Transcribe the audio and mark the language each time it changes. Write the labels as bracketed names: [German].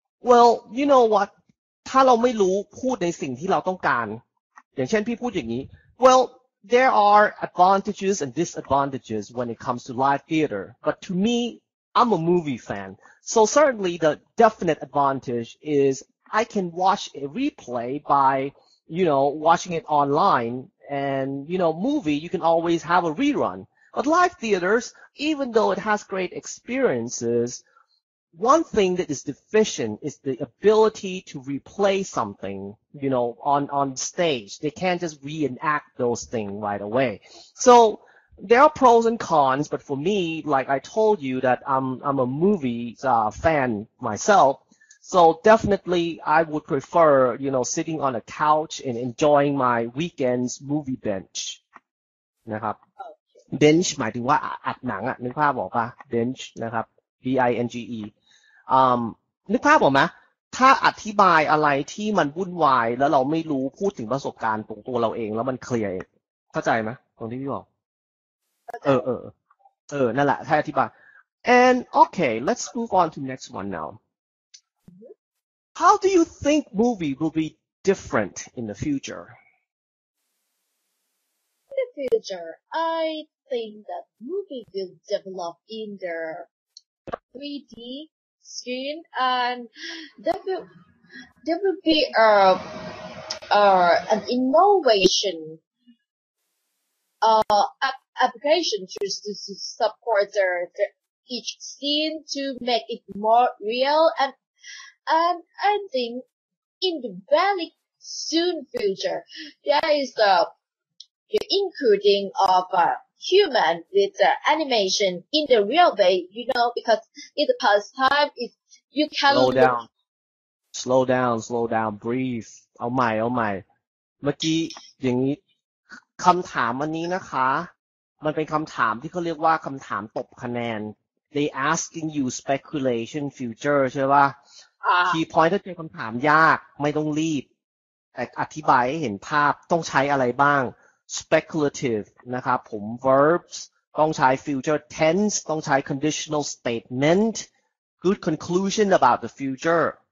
[English] well you know what [Thai] ถ้าเราไม่รู้พูดในสิ่งที่เราต้องการอย่างเช่นพี่พูดอย่างนี้ [English] well there are advantages and disadvantages when it comes to live theater but to me I'm a movie fan so certainly the definite advantage is I can watch a replay by you know watching it onlineAnd, you know, movie, you can always have a rerun. But live theaters, even though it has great experiences, one thing that is deficient is the ability to replay something, you know, on stage. They can't just reenact those things right away. So there are pros and cons, but for me, like I told you that I'm a movie fan myself. So definitely, I would prefer, you know, sitting on a couch and enjoying my weekend's movie bench. [Thai] นะครับ bench หมายถึงว่าอัดหนังอ่ะนึกภาพออกป่ะ bench นะครับ B-I-N-G-E. นึกภาพออกไหมถ้าอธิบายอะไรที่มันวุ่นวายแล้วเราไม่รู้พูดถึงประสบการณ์ของตัวเราเองแล้วมันเคลียร์เข้าใจไหมตรงที่พี่บอก [English] okay. [Thai] เออนั่นแหละถ้าอธิบาย [English] and okay let's move on to next one nowHow do you think movie will be different in the future? In the future, I think that movie will develop in the 3D screen and there will be an innovation application to support each scene to make it more real and I think in the very soon future, there is the including of a human with the animation in the real way, you know, because in the past time, you can slow down. Slow down, breathe. Oh my. [Thai] เมื่อกี้อย่างนี้คำถามอันนี้นะคะมันเป็นคำถามที่เขาเรียกว่าคำถามตบคะแนน [English] They asking you speculation future, [Thai] ใช่ป่ะคีย์พอยต์ถ้าเจอคำถามยากไม่ต้องรีบแต่อธิบายให้เห็นภาพต้องใช้อะไรบ้าง speculative นะครับผม verbs ต้องใช้ future tense ต้องใช้ [English] conditional statement good conclusion about the future